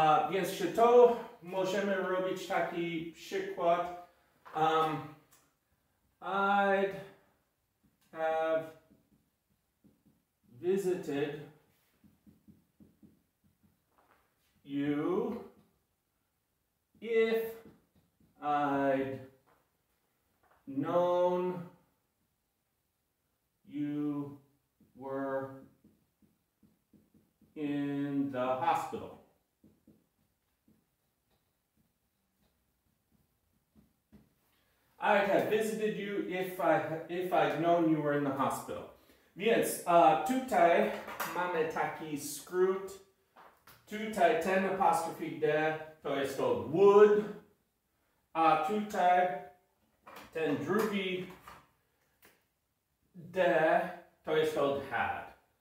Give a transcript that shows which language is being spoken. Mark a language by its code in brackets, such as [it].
[pl] Więc czy to możemy robić taki przykład. [en] I'd have visited you if I'd known you were in the hospital. I'd have visited you if I'd known you were in the hospital. [pl] Więc tutaj mamy taki skrót. Tutaj ten apostrofe de, to jest to would. A tutaj ten drugi de, to jest to had.